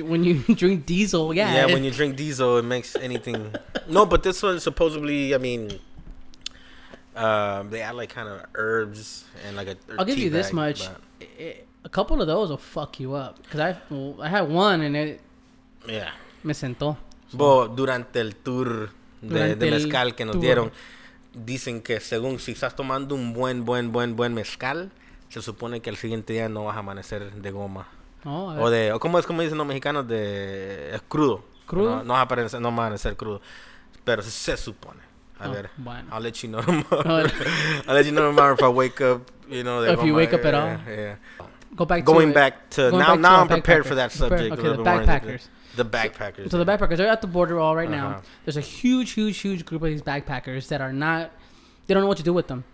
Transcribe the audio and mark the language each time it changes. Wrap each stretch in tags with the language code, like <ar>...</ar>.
<en>When you drink diesel, yeah. Yeah, when you drink diesel, it makes anything. No, but this one supposedly, I mean, they add like kind of herbs and like a tea bag. I'll give you this much. A couple of those will fuck you up. Because I had one and it. Yeah.</en> <es>Me sentó. So. Well, durante el tour de mezcal que nos dieron, dicen que según si estás tomando un buen mezcal. Se supone que al siguiente día no vas a amanecer de goma. Oh, o de, o como es como dicen los mexicanos, de crudo. ¿Crudo? No, vas a aparecer, no amanecer crudo. Pero se supone. A ver, bueno.</es> <en>I'll let you know tomorrow. I'll let you know tomorrow if I wake up, you know, if you wake up at all. Yeah. Go back going to back to, going now, back now to I'm prepared for that subject. Okay, the backpackers. The backpackers. So the backpackers are at the border all right now. There's a huge, huge, huge group of these backpackers that are not. They don't know what to do with them.</en>